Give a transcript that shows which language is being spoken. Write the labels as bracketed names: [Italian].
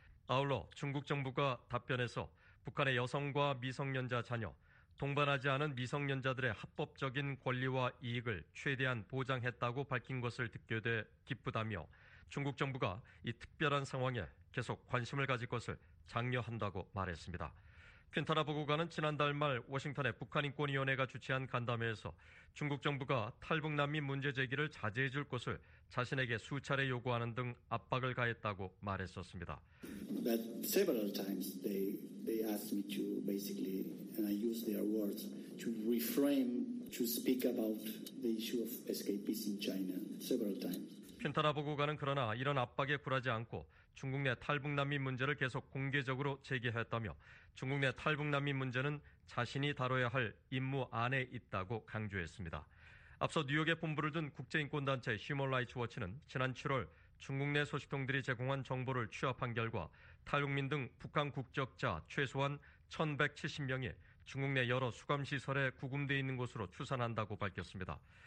[Korean] 아울러 중국 정부가 답변에서 북한의 여성과 미성년자 자녀, 동반하지 않은 미성년자들의 합법적인 권리와 이익을 최대한 보장했다고 밝힌 것을 듣게 돼 기쁘다며 중국 정부가 이 특별한 상황에 계속 관심을 가질 것을 장려한다고 말했습니다. 핀타나 보고관은 지난달 말 워싱턴의 북한인권위원회가 주최한 간담회에서 중국 정부가 탈북난민 문제 제기를 자제해 줄 것을 자신에게 수차례 요구하는 등 압박을 가했다고 말했었습니다. [English] That several times they asked me to basically and I use their words to reframe to speak about the issue of escapees in China several times. [Korean] 핀타나 보고관은 그러나 이런 압박에 굴하지 않고 중국 내 탈북난민 문제를 계속 공개적으로 제기했다며 중국 내 탈북난민 문제는 자신이 다뤄야 할 임무 안에 있다고 강조했습니다. 앞서 뉴욕에 본부를 둔 국제인권단체 휴먼 라이츠 워치는 지난 7월 중국 내 소식통들이 제공한 정보를 취합한 결과 탈북민 등 북한 국적자 최소한 1,170명이 중국 내 여러 수감시설에 구금돼 있는 것으로 추산한다고 밝혔습니다.